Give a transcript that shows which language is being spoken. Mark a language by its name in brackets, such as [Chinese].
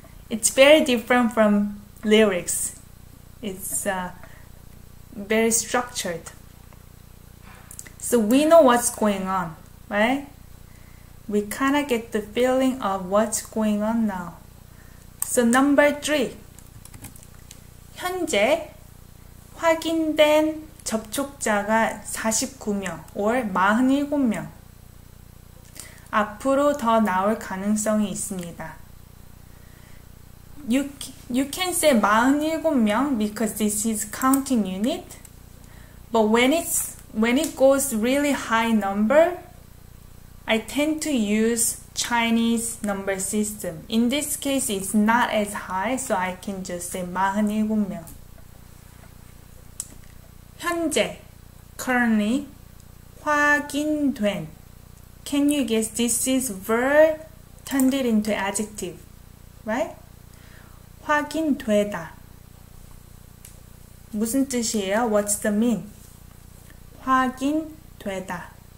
[English] It's very different from lyrics. It's very structured. So we know what's going on, right? We kind of get the feeling of what's going on now. So number 3. [Korean] 현재 확인된 접촉자가 49명 or 47명. 앞으로 더 나올 가능성이 있습니다. [English] You can say 47명 because this is counting unit. But when it goes really high number, I tend to use Chinese number system. In this case, it's not as high, so I can just say 47명. [Korean] 현재, currently, 확인된. [English] Can you guess this is verb turned it into adjective, right? [Korean] 확인되다. 무슨 뜻이에요? [English] What's the mean? [Korean] 확인되다.